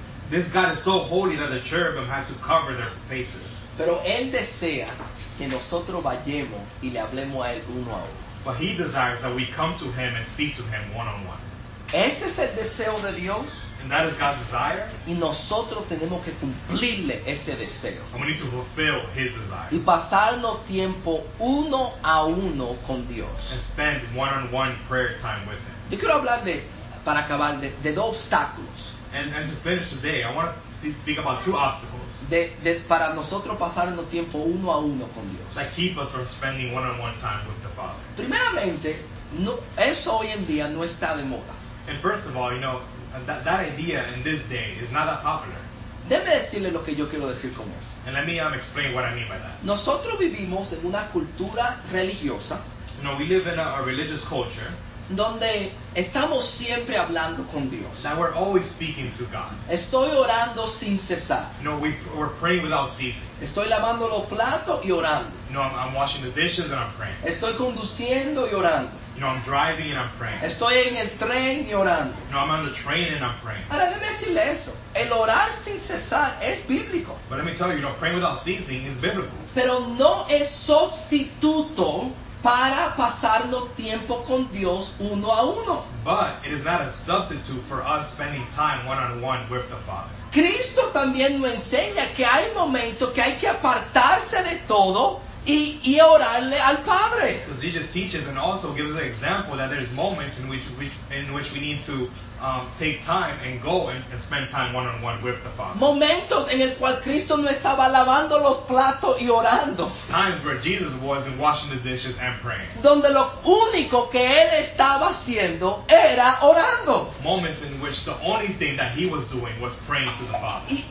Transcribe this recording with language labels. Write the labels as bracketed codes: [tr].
[en] This God is so holy that the cherubim had to cover their faces. [es] Pero Él desea que nosotros vayamos y le hablemos a Él uno a uno. [en] But He desires that we come to Him and speak to Him one on one. [es] Ese es el deseo de Dios. [en] And that is God's desire. [es] Y nosotros tenemos que cumplirle ese deseo. [en] And we need to fulfill His desire. [es] Y pasarnos tiempo uno a uno con Dios. [en] And spend one on one prayer time with Him. [es] Yo quiero hablar de, para acabar, de dos obstáculos. [en] And to finish today, I want to speak about two obstacles. [es] De para nosotros pasar el tiempo uno a uno con Dios. [en] That keep us from spending one-on-one time with the Father. [es] Primeramente, no, eso hoy en día no está de moda. [en] And first of all, you know, that idea in this day is not that popular. [es] Déjeme decirle lo que yo quiero decir con eso. [en] And let me explain what I mean by that. [es] Nosotros vivimos en una cultura religiosa. [en] You know, we live in a religious culture. [es] Donde estamos siempre hablando con Dios. [en] That we're always speaking to God. [es] Estoy orando sin cesar. [en] No, we're praying without ceasing. [es] Estoy lavando los platos y orando. [en] No, I'm washing the dishes and I'm praying. [es] Estoy conduciendo y orando. [en] You know, I'm driving and I'm praying. [es] Estoy en el tren y orando. [en] No, I'm on the train and I'm praying. [es] Ahora déjeme decirle eso. El orar sin cesar es bíblico. [en] But let me tell you, you know, praying without ceasing is biblical. [es] Pero no es sustituto para pasarnos tiempo con Dios uno a uno. [en] But it is not a substitute for us spending time one-on-one with the Father. [es] Cristo también nos enseña que hay momentos que hay que apartarse de todo y orarle al Padre. [en] Because Jesus teaches and also gives an example that there's moments in which we need to take time and go and spend time one-on-one with the Father. [es] Momentos en el cual Cristo no estaba lavando los platos y orando. [en] Times where Jesus wasn't washing the dishes and praying. [es] Donde lo único que Él estaba haciendo era orando. [en] Moments in which the only thing that He was doing was praying to the Father.